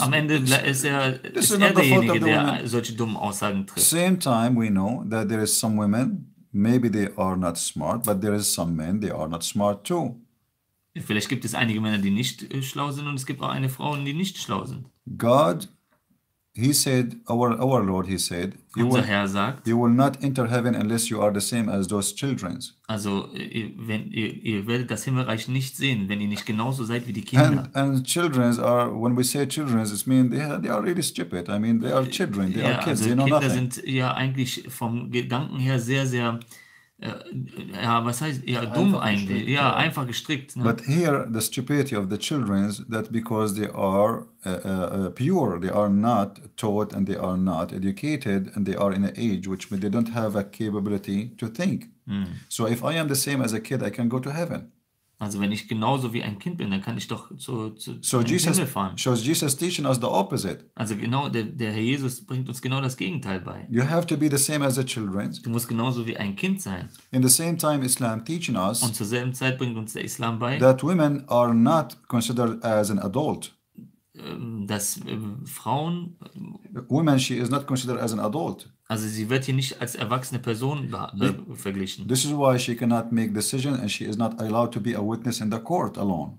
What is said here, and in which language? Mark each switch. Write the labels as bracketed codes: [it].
[de] am Ende ist er derjenige, der solche dummen Aussagen trifft. [en] Same time we know that there is some women, maybe they are not smart, but there is some men, they are not smart too. [de] Vielleicht gibt es einige Männer, die nicht schlau sind, und es gibt auch eine Frauen, die nicht schlau sind. [en] God, he said, our Lord, he said, you will not enter heaven unless you are the same as those children. [de] Also, ihr werdet das Himmelreich nicht sehen, wenn ihr nicht genauso seid wie die Kinder. [en] And children are, when we say children, it means they are really stupid. I mean, they are children, they are kids, [de] also [en] they know [de] Kinder [en] nothing. [de] Sind ja eigentlich vom Gedanken her sehr, sehr, ja, was heißt, ja, dumm einfach eigentlich, gestrickt, ja, einfach gestrickt. Ne? [en] But here, the stupidity of the children is that because they are pure, they are not taught and they are not educated and they are in an age which they don't have a capability to think. So if I am the same as a kid, I can go to heaven. [de] Also wenn ich genauso wie ein Kind bin, dann kann ich doch zu Jesus, Himmel fahren. [en] So Jesus teaching us the opposite. [de] Also genau, der Herr Jesus bringt uns genau das Gegenteil bei. [en] You have to be the same as the children. [de] Du musst genauso wie ein Kind sein. [en] In the same time Islam teaching us. [de] Und zur selben Zeit bringt uns der Islam bei. [en] That women are not considered as an adult. [de] Dass Frauen. [en] Women, she is not considered as an adult. [de] Also sie wird hier nicht als erwachsene Person verglichen. [en] This is why she cannot make decisions and she is not allowed to be a witness in the court alone.